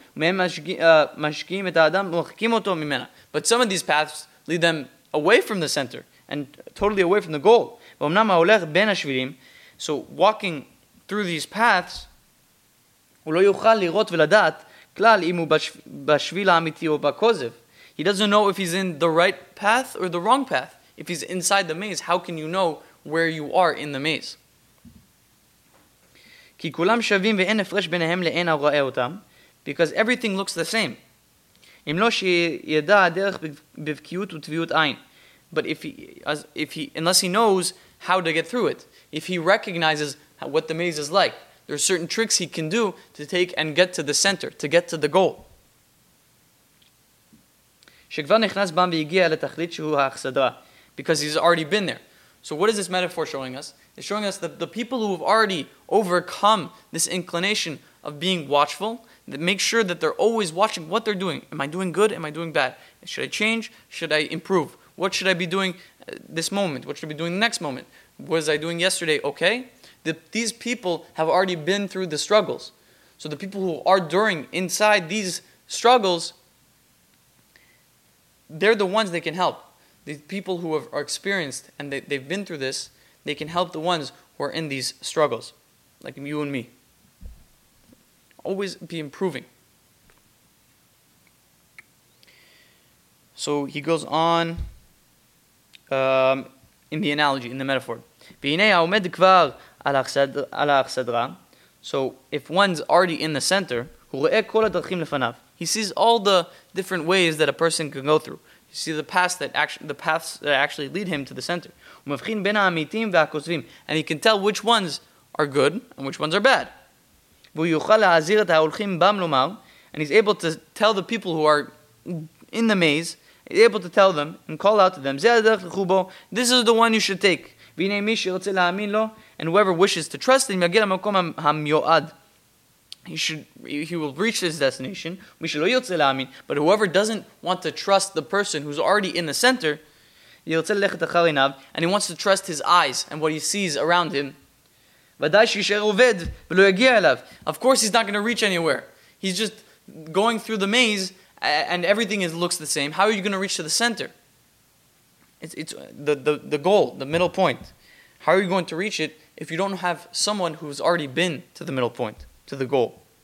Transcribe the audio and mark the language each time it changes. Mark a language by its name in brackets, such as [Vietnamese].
[Hebrew] מהם משקיעים את האדם, מוחקים אותו ממנה. [English] But some of these paths lead them away from the center and totally away from the goal. [Hebrew] ואומנם ההולך בין השבילים, [English] so walking through these paths, [Hebrew] הוא לא יוכל לראות ולדעת כלל אם הוא בשביל האמיתי או בכוזב. [English] He doesn't know if he's in the right path or the wrong path. If he's inside the maze, how can you know where you are in the maze? [Hebrew] כי כולם שווים ואין הפרש ביניהם לאין הרואה אותם, [English] because everything looks the same. [Hebrew] אם לא שידע הדרך בבקיאות וטביעות עין. [English] But unless he knows how to get through it, if he recognizes what the maze is like, there are certain tricks he can do to take and get to the center, to get to the goal. [Hebrew] שכבר נכנס בם והגיע לתכלית שהוא האכסדרה. [English] Because he's already been there. So what is this metaphor showing us? It's showing us that the people who have already overcome this inclination of being watchful, that make sure that they're always watching what they're doing. Am I doing good? Am I doing bad? Should I change? Should I improve? What should I be doing this moment? What should I be doing the next moment? Was I doing yesterday okay? These people have already been through the struggles. So the people who are during inside these struggles, they're the ones that can help. The people who are experienced and they've been through this, they can help the ones who are in these struggles, like you and me. Always be improving. So he goes on in the analogy, in the metaphor. [Hebrew] והנה העומד כבר על האכסדרה. [English] So if one's already in the center, [Hebrew] הוא רואה כל הדרכים לפניו. [English] He sees all the different ways that a person can go through. You see the paths that actually lead him to the center. [Hebrew] ומבחין בין האמיתים והכוזבים. [English] And he can tell which ones are good and which ones are bad. [Hebrew] והוא יוכל להזהיר את ההולכים בם לומר. [English] And he's able to tell the people who are in the maze, he's able to tell them and call out to them, [Hebrew] זה הדרך לחובו, [English] this is the one you should take. [Hebrew] והנה מי שרוצה להאמין לו, [English] and whoever wishes to trust him, [Hebrew] יגיע למקום המיועד. [English] He will reach his destination. [Hebrew] מי שלא ירצה להאמין, [English] but whoever doesn't want to trust the person who's already in the center, [Hebrew] ירצה ללכת אחר עיניו, [English] and he wants to trust his eyes and what he sees around him, [Hebrew] ודאי שישאר עובד ולא יגיע אליו. [English] Of course he's not going to reach anywhere. He's just going through the maze and everything looks the same. How are you going to reach to the center? It's the goal, the middle point. How are you going to reach it if you don't have someone who's already been to the middle point, to the goal?